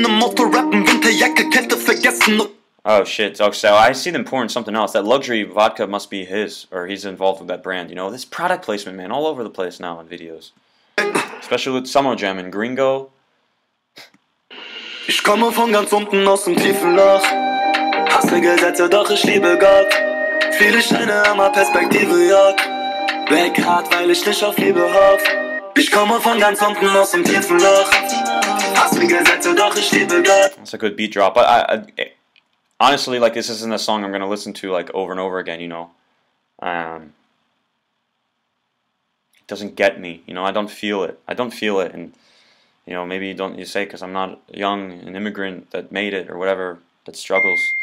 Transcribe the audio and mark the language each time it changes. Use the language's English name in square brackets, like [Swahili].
[English] Oh shit, so I see them pouring something else. That luxury vodka must be his, or he's involved with that brand, you know? This product placement, man, all over the place now in videos. Especially with Summer Jam and Gringo. [German] Ich komme von ganz unten aus dem tiefen Loch. Hasse Gesetze, doch ich liebe Gott. Viele Scheine, immer Perspektive, Jock. Weg hart, weil ich nicht auf Liebe hoff. Ich komme von ganz unten aus dem tiefen Loch. Hasse Gesetze, doch ich liebe Gott. [English] That's a good beat drop, but honestly, like, this isn't a song I'm going to listen to, like, over and over again, you know. It doesn't get me, you know. I don't feel it. And, you know, maybe you say, because I'm not young, an immigrant that made it or whatever, that struggles.